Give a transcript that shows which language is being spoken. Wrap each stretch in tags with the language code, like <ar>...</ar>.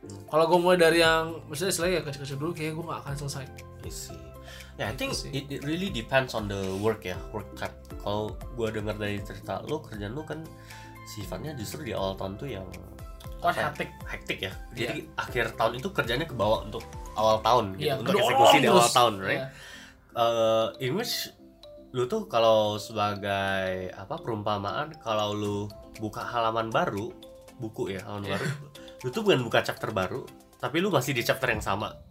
<id>Kalau gue mulai dari yang maksudnya selesai ya kecil-kecil dulu, kayaknya gue nggak akan selesai.</id> <en>Yeah, I think it really depends on the work ya, work cut.</en> <id>Kalau gue dengar dari cerita lo, kerjaan lo kan sifatnya justru di awal tahun tuh yang hektik ya. Jadi akhir tahun itu kerjanya kebawa untuk awal tahun, gitu, untuk eksekusi di awal tahun, right?</id> <en>In which</en> <id>lo tuh kalau sebagai apa perumpamaan, kalau lo buka halaman baru buku ya, halaman baru, lo tuh bukan buka chapter baru, tapi lo masih di chapter yang sama.</id>